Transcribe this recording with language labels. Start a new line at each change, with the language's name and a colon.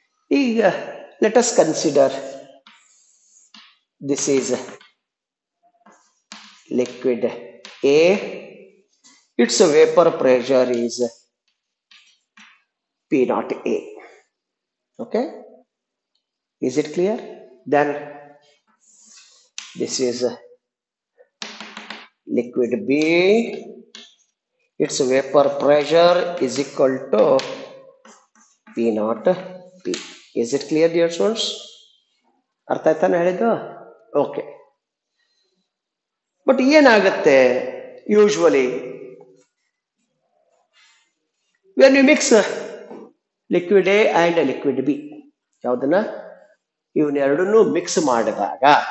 Kannada: ಈಗ
English: Let us consider this is liquid A, its vapour pressure is P naught A. Okay, is it clear? Then this is liquid B, its vapor pressure is equal to P naught P. Is it clear, dear students?
Kannada: ಅರ್ಥ ಆಯ್ತಾನೆ ಹೇಳಿದ್ದು?
English: Okay. But
Kannada: ಏನಾಗುತ್ತೆ
English: usually when you mix liquid A and liquid B,
Kannada: ಯಾವುದನ್ನ ಇವನ್ನೆರಡನ್ನೂ mix ಮಾಡಿದಾಗ